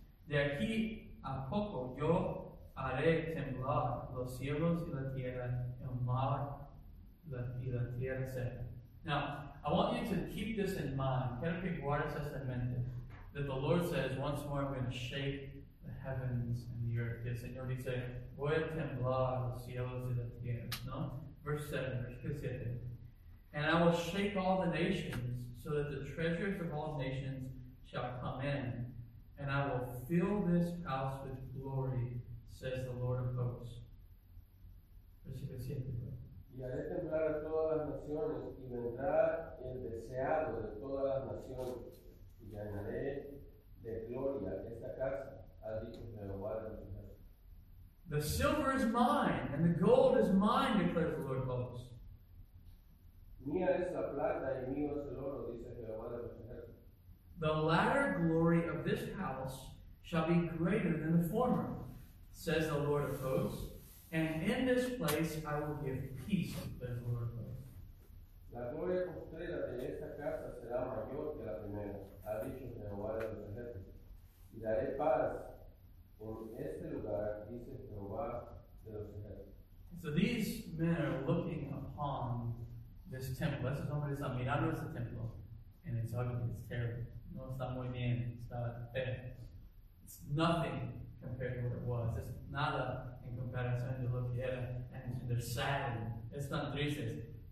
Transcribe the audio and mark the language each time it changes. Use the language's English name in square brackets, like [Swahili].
[Spanish] De aquí a poco yo haré temblar los cielos y la tierra, el mar y la tierra seca. [English] Now, I want you to keep this in mind. [Spanish] Quiero que guardes esta mente. [English] That the Lord says, once more I'm going to shake the heavens and the earth. [Spanish] Y el Señor dice, voy a temblar los cielos y la tierra. [English] No? Verse 7. And I will shake all the nations, so that the treasures of all nations shall come in. And I will fill this house with glory, says the Lord of hosts. [Spanish] Versículo 7. Y haré temblar a todas las naciones, y vendrá el deseado de todas las naciones, y llenaré de gloria esta casa, ha dicho Jehová de los ejércitos. [English] The silver is mine, and the gold is mine, declares the Lord of hosts. [Spanish] Mía es la plata, y mío es el oro, dice Jehová de los ejércitos. [English] The latter glory of this house shall be greater than the former, says the Lord of hosts. And in this place I will give peace, the Lord of hosts. [Spanish] La gloria postrera de esta casa será mayor que la primera, ha dicho Jehová de los ejércitos. Y daré paz en este lugar, dice Jehová de los ejércitos. [English] So these men are looking upon this temple. [Spanish] Estos hombres están mirando este templo, [English] and it's ugly, it's terrible. [Spanish] No está muy bien, está feo. [English] It's nothing compared to what it was. It's nada. Comparison to look at and they're sad. It's not triste.